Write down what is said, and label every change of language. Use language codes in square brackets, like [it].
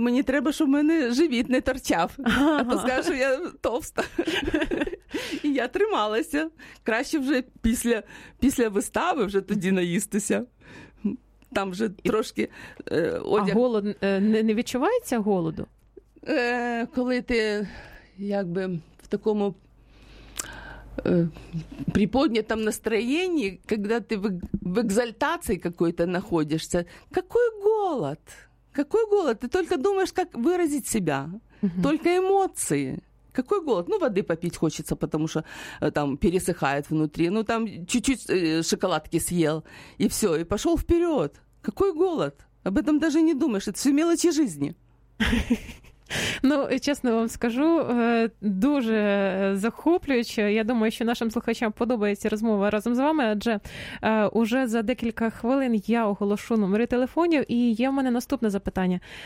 [uk] Мені треба, щоб в мене живіт не торчав. Ага. А то скажу, що я товста. І я трималася. Краще вже після вистави вже тоді наїстися. Там вже трошки одяг. А голод не відчувається голоду? Коли ти якби [ru] в такому приподнятом настроении, когда ты в экзальтации какой-то находишься, какой голод? Какой голод? Ты только думаешь, как выразить себя. Угу. Только эмоции. Какой голод? Ну, воды попить хочется, потому что там пересыхает внутри. Ну, там чуть-чуть шоколадки съел, и все, и пошел вперед. Какой голод? Об этом даже не думаешь. Это все мелочи жизни. [uk] Ну, чесно вам скажу, дуже захоплююче. Я думаю, що нашим слухачам подобається розмова разом з вами, адже уже за декілька хвилин я оголошу номери телефонів, і є в мене наступне запитання.